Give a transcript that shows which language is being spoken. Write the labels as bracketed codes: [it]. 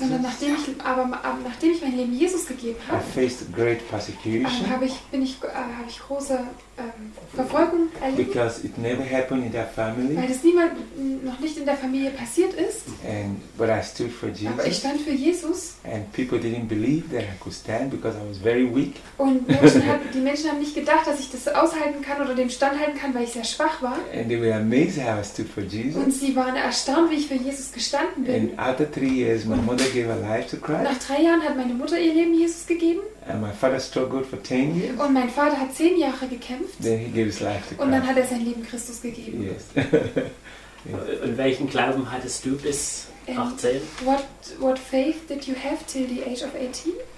[de] sondern nachdem ich mein Leben Jesus gegeben habe, [en] I faced great persecution. [de] Habe ich große Verfolgung erlebt. [en] Because it never happened in their family. [de] Weil es niemals noch nicht in der Familie passiert ist. [en] And but I stood for Jesus. [de] Aber ich stand für Jesus. [en] And people didn't believe that I could stand because I was very weak. [de] Und die Menschen haben nicht gedacht, dass ich das aushalten kann oder dem standhalten kann, weil ich sehr schwach war. [en] And they were amazed how I stood for Jesus. [de] Und sie waren erstaunt, wie ich für Jesus gestanden bin. [en] After 3 years, my mother gave her life to Christ. [de] Nach 3 Jahren hat meine Mutter ihr Leben Jesus gegeben. [en] And my father struggled for 10 years. [de] Und mein Vater hat 10 Jahre gekämpft. [en] Then he gave his life to Christ. [de] Und dann hat er sein Leben Christus gegeben. [en] Yes. Yes. [de] Und welchen Glauben hattest du bis 18? [en] What faith did you have till the age of 18?